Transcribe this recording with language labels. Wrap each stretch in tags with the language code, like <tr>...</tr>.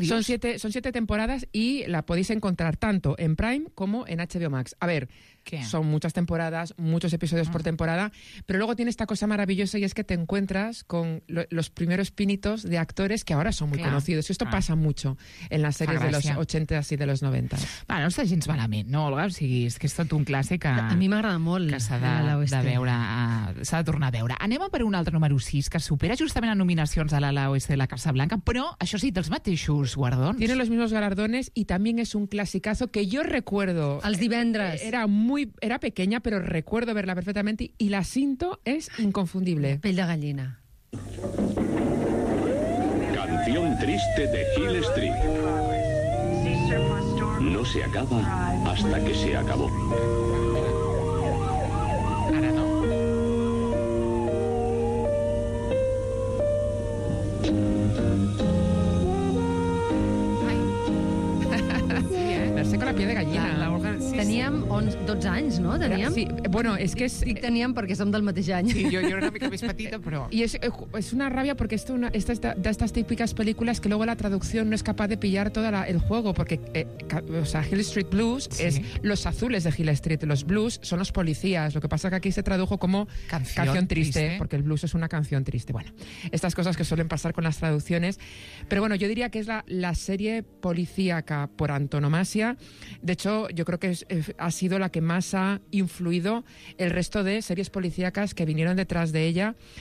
<es>Son siete temporadas y la podéis encontrar tanto en Prime como en HBO Max. A ver... ¿Qué? Son muchas temporadas, muchos episodios por temporada, pero luego tiene esta cosa maravillosa y es que te encuentras con los primeros pinitos de actores que ahora son muy conocidos. Y esto pasa mucho en las series de los 80 y de los 90.</es> <ca>Bueno, no està gens malament, no, Olga? O sigui, és que és tot un clàssic que... A mi m'agrada molt. Que s'ha de tornar a veure. Anem a per un altre número 6 que supera justament a nominacions de l'ala oeste de la Casa Blanca, però això sí, dels mateixos guardons.</ca> <es>Tiene los mismos galardones y también es un clasicazo que yo recuerdo...</es> <ca>Els divendres.</ca> <es>Era era pequeña, pero recuerdo verla perfectamente y la cinto es inconfundible.</es> <ca>Pell de gallina.</ca> <es>Canción triste de Hill Street. No se acaba hasta que se acabó.</es> <ca>Ara no.</ca> <es>La piel de gallina.</es> <ca>Sí, teníem 12 anys, no? Teníem? Sí, bueno, és que... Teníem perquè som del mateix any. Sí, jo era una mica més petita, però... I és una ràbia perquè és d'aquestes típiques pel·lícules que luego la traducció no és capaç de pillar tot el juego, perquè Hill Street Blues és</ca> <es>los azules de Hill Street, los blues són los policías, lo que pasa que aquí se tradujo como canción triste, porque el blues es una canción triste. Bueno, estas cosas que suelen pasar con las traducciones. Pero bueno, yo diría que es la serie policíaca por antonomasia. De hecho, yo creo que ha sido la que más ha influido el resto de series policíacas que vinieron detrás de ella.</es>